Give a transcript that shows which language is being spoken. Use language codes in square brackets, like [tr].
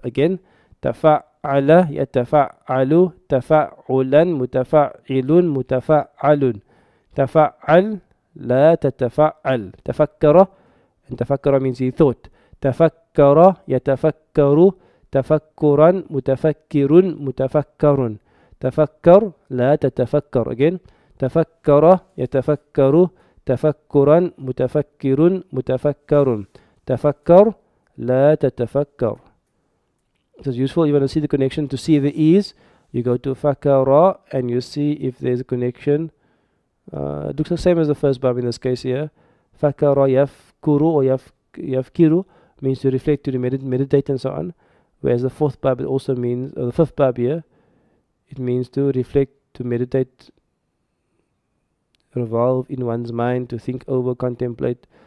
[en] Again, [ar] تَفَعَلَ يَتَفَعَلُ تَفَعُلًا مُتَفَعِلٌ مُتَفَعَلٌ تَفَعَلْ لَا تَتَفَعَلْ. [en] تَفَكَّرَ, and تَفَكَّرَ means he thought. [ar] تَفَكَّرَ يَتَفَكَّرُ تَفَكُّرًا مُتَفَكِّرٌ مُتَفَكَّرٌ تَفَكَّرْ لَا تَتَفَكَّرْ. [en] Again, [ar] تفكر يتفكر تفكرا متفكر متفكر تفكر لا تتفكر. [en] It is useful even to see the connection, to see the ease. You go to فكر and you see if there's a connection. It looks the same as the first verb in this case here. [ar] فكر يفكر [en] or يفكر means to reflect, to meditate and so on. Whereas the fourth verb also means, the fifth verb here, it means to reflect, to meditate, revolve in one's mind, to think over, contemplate.